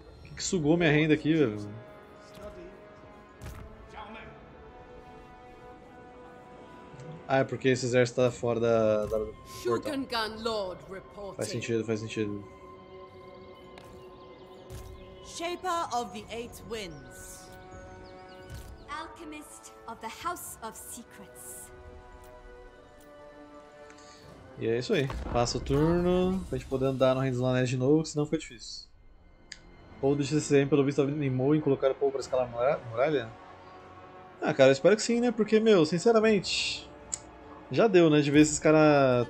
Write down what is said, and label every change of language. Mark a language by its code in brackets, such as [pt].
[pt] O que sugou minha renda aqui, velho? Ah, é porque esse exército tá fora da. [en] Shogun Lord reporting. [pt] Faz sentido, faz sentido. [en] Shaper of the Eight Winds. Alchemist of the House of Secrets. [pt] E é isso aí. Passa o turno pra gente poder andar no Reino dos Anéis de novo, senão fica difícil. Ou deixa esse CM, pelo visto, animou em colocar o povo pra escalar a muralha? Ah, cara, eu espero que sim, né? Porque, meu, sinceramente. Já deu, né, de ver esses caras...